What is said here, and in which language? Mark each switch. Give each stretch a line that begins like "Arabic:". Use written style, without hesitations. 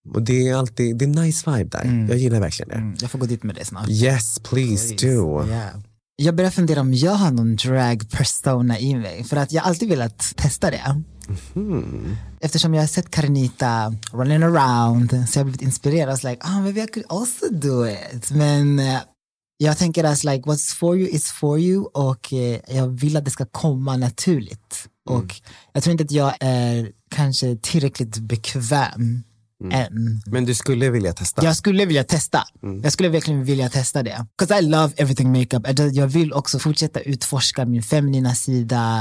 Swedish: Och det är alltid, det är nice vibe där. Mm. Jag gillar verkligen det. Mm. Jag får gå dit med det snart.
English: Yes, please do. Yeah.
Swedish: Jag börjar fundera om jag har någon drag persona i mig. För att jag alltid vill att testa det. Mm-hmm. Eftersom jag har sett Carinita
English: running around
Swedish: så jag har blivit inspirerad.
English: I was like, oh, maybe I could also do it.
Swedish: Men jag tänker att
English: like, what's for you is for you.
Swedish: Och jag vill att det ska komma naturligt. Mm. Och jag tror inte att jag är kanske tillräckligt bekväm. Mm. Men du skulle vilja testa. Jag skulle vilja testa. Mm. Jag skulle verkligen vilja testa det.
English: Because I love everything makeup.
Swedish: Jag vill också fortsätta utforska min feminina sida.